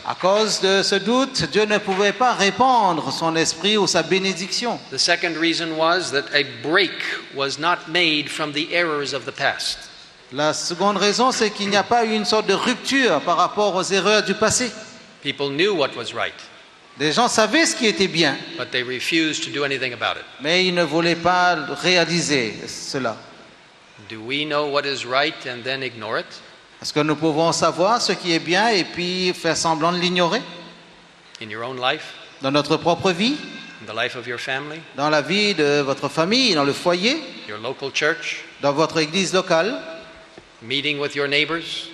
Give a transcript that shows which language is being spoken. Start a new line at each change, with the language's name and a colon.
French: À cause de ce doute, Dieu ne pouvait pas répandre son esprit ou sa bénédiction.
English: The second reason was that a break was not made from the errors of the past.
French: La seconde raison, c'est qu'il n'y a pas eu une sorte de rupture par rapport aux erreurs du passé.
English: People knew what was right.
French: Les gens savaient ce qui était bien.
English: But they refused to do anything about it.
French: Mais ils ne voulaient pas réaliser cela.
English: Do we know what is right and then ignore it?
French: Est-ce que nous pouvons savoir ce qui est bien et puis faire semblant de l'ignorer?
English: In your own life?
French: Dans notre propre vie?
English: In the life of your family?
French: Dans la vie de votre famille, dans le foyer?
English: Your local church?
French: Dans votre église locale?
English: Meeting with your neighbors?